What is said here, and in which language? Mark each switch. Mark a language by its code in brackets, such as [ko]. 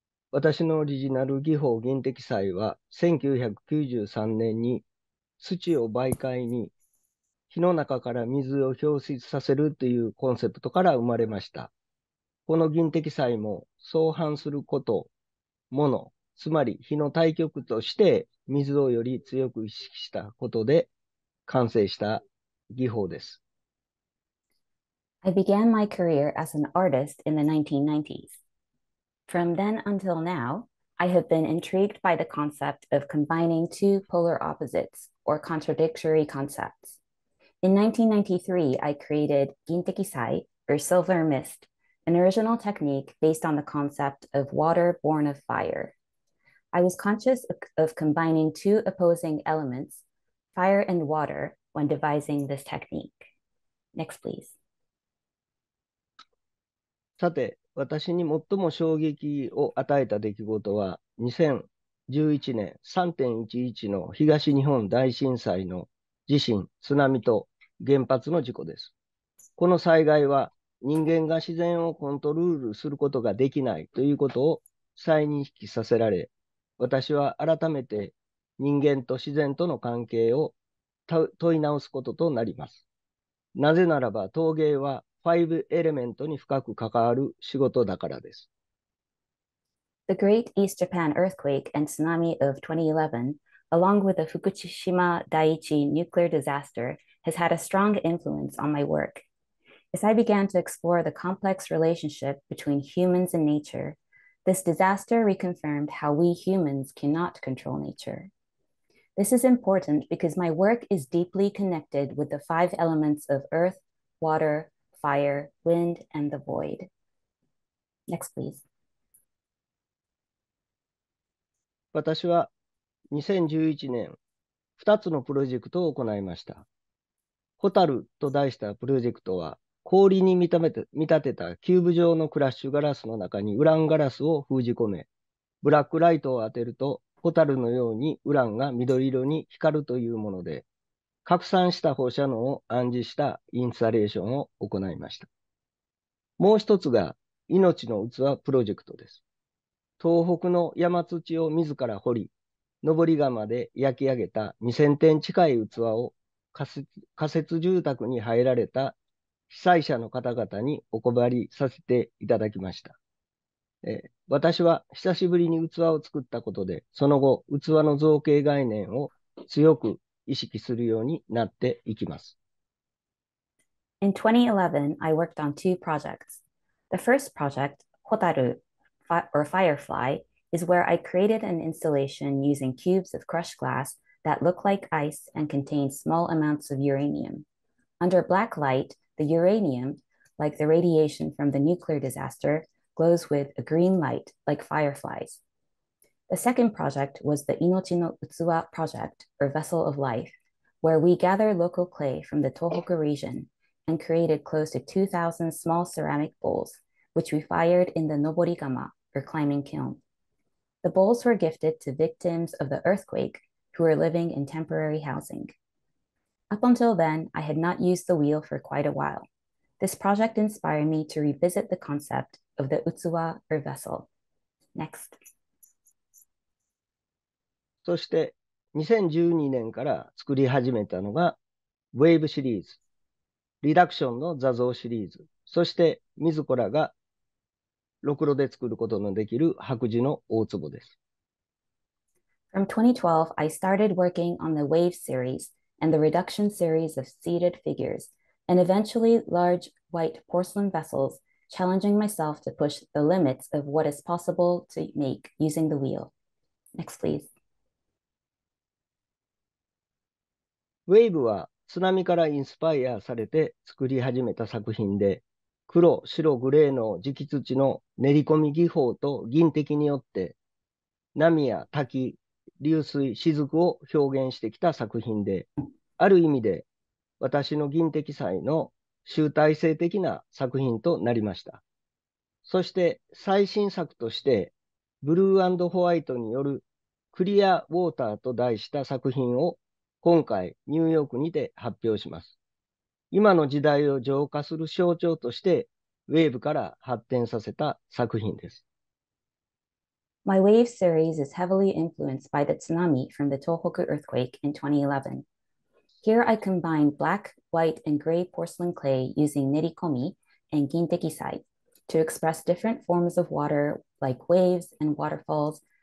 [ja] 私のオリジナル技法ギンテキサイは1993年に土を媒介に 火の中から水を表出させるというコンセプトから生まれました。この銀的祭も相反すること、もの、つまり火の対極として水をより強く意識したことで完成した技法です。 [en] I began my career as an artist in the 1990s. From then until now, I have been intrigued by the concept of combining two polar opposites or contradictory concepts. In 1993, I created Gintekisai, or silver mist, an original technique based on the concept of water born of fire. I was conscious of combining two opposing elements, fire and water, when devising this technique. Next, please. [ja] さて、私に最も衝撃を与えた出来事は、2011年 3.11 の東日本大震災の地震、津波と原発の事故です。この災害は、人間が自然をコントロールすることができないということを再認識させられ、私は改めて人間と自然との関係を問い直すこととなります。なぜならば陶芸はファイブエレメントに深く関わる仕事だからです。 [en] The Great East Japan Earthquake and Tsunami of 2011, along with the Fukushima Daiichi Nuclear Disaster, has had a strong influence on my work. As I began to explore the complex relationship between humans and nature, this disaster reconfirmed how we humans cannot control nature. This is important because my work is deeply connected with the five elements of earth, water, fire, wind, and the void. Next, please. [ja] 私は2011年、2つのプロジェクトを行いました。ホタルと題したプロジェクトは、氷に見立てたキューブ状のクラッシュガラスの中にウランガラスを封じ込め、ブラックライトを当てると、ホタルのようにウランが緑色に光るというもので、拡散した放射能を暗示したインスタレーションを行いました。もう一つが、命の器プロジェクトです。東北の山土を自ら掘り、登り窯で焼き上げた2000点近い器を仮設住宅に入られた被災者の方々にお配りさせていただきました。私は久しぶりに器を作ったことで、その後、器の造形概念を強く意識するようになっていきます。 [en] In 2011, I worked on two projects. The first project, Hotaru, or Firefly, is where I created an installation using cubes of crushed glass that look like ice and contain small amounts of uranium. Under black light,The uranium, like the radiation from the nuclear disaster, glows with a green light, like fireflies. The second project was the Inochi no Utsuwa project, or Vessel of Life, where we gather local clay from the Tohoku region and created close to 2,000 small ceramic bowls, which we fired in the Noborigama, or climbing kiln. The bowls were gifted to victims of the earthquake who were living in temporary housing. Up until then, I had not used the wheel for quite a while. This project inspired me to revisit the concept of the utsuwa or vessel. Next. [ja] そして2012年から作り始めたのがウェーブシリーズ、リダクションの座像シリーズ、そして自らがろくろで作ることのできる白磁の大壺です。 [en] From 2012, I started working on the wave series. And the reduction series of seated figures, and eventually large white porcelain vessels, challenging myself to push the limits of what is possible to make using the wheel. Next, please. [ja] Wave は津波からインスパイアされて作り始めた作品で、黒、白、グレーの磁気土の練り込み技法と銀滴によって、波や滝、流水、雫を表現してきた作品で、ある意味で私の銀滴祭の集大成的な作品となりました。そして最新作として、ブルー&ホワイトによるクリアウォーターと題した作品を今回ニューヨークにて発表します。今の時代を浄化する象徴として、ウェーブから発展させた作品です。 [en] My wave series is heavily influenced by the tsunami from the Tohoku earthquake in 2011. Here I combine black, white, and gray porcelain clay using nerikomi and gintekisai to express different forms of water like waves and waterfalls